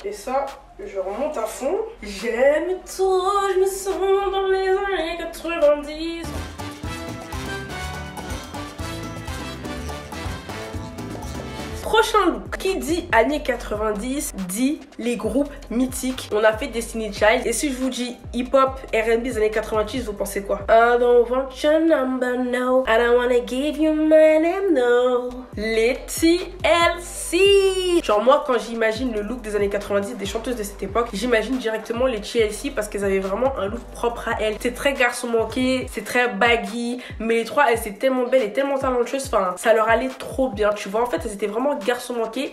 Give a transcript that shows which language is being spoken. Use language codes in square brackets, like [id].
[fr] Et ça, je remonte à fond. J'aime trop, je me sens dans les années 90. Prochain look. Qui dit années 90 dit les groupes mythiques. On a fait Destiny's Child. Et si je vous dis hip-hop, R&B des années 90, vous pensez quoi? [en] I don't want your number, no. I don't wanna give you my name, no. [fr] Les TLC. Genre moi, quand j'imagine le look des années 90 des chanteuses de cette époque, j'imagine directement les TLC parce qu'elles avaient vraiment un look propre à elles. C'est très garçon manqué, c'est très baggy. Mais les trois, elles étaient tellement belles et tellement talentueuses. Enfin, ça leur allait trop bien, tu vois. En fait, elles étaient vraiment garçon manqué.